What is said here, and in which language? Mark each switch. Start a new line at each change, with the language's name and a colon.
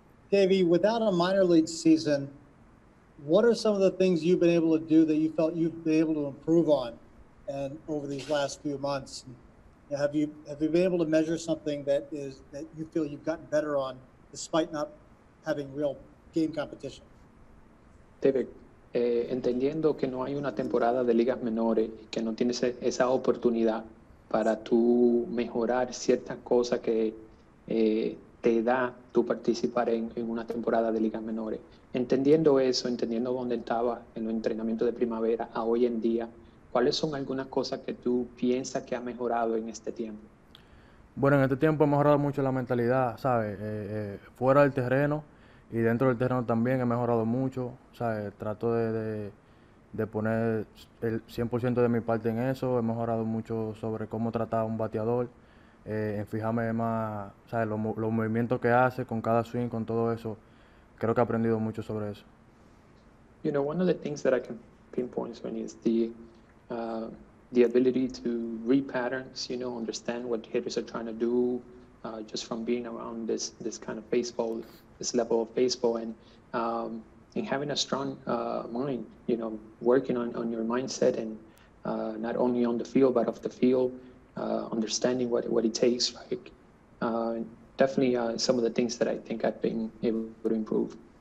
English: Davey, without a minor league season, what are some of the things you've been able to do that you felt you've been able to improve on and over these last few months? And have you been able to measure something that is that you feel you've gotten better on despite not having real game competition? Davey.
Spanish: Entendiendo que no hay una temporada de ligas menores y que no tienes esa oportunidad para tú mejorar ciertas cosas que te da tú participar en una temporada de ligas menores. Entendiendo eso, entendiendo dónde estaba en los entrenamientos de primavera a hoy en día, ¿cuáles son algunas cosas que tú piensas que ha mejorado en este tiempo? Bueno, en este tiempo he mejorado mucho la mentalidad, ¿sabes? Fuera del terreno y dentro del terreno también he mejorado mucho, ¿sabes? Trato de poner el 100% de mi parte en eso. He mejorado mucho sobre cómo tratar a un bateador, en fijarme más, ¿sabes? Los movimientos que hace con cada swing, con todo eso. Creo que he aprendido mucho sobre eso.
English: One of the things that I can pinpoint, Sweeney, is the ability to read patterns, understand what hitters are trying to do, just from being around this kind of baseball, this level of baseball, and having a strong mind, working on your mindset and not only on the field but off the field, understanding what it takes, like definitely some of the things that I think I've been able to improve.